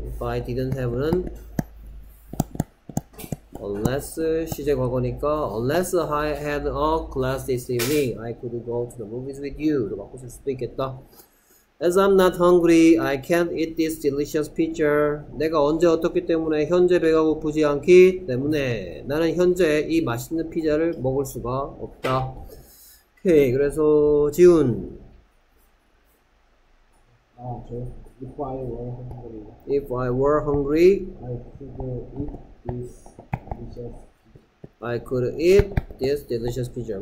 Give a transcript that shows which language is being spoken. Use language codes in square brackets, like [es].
[en] If I didn't have는 unless [ko] 시제 과거니까 [en] unless I had a class this evening, I could go to the movies with you로 [ko] 바꿨을 수도 있겠다. [en] As I'm not hungry, I can't eat this delicious pizza. [ko] 내가 언제 어떻기 때문에 현재 배가 고프지 않기 때문에 나는 현재 이 맛있는 피자를 먹을 수가 없다. 오케이, 그래서 지훈. [en] 아, 저 If I were hungry, I could eat this delicious pizza.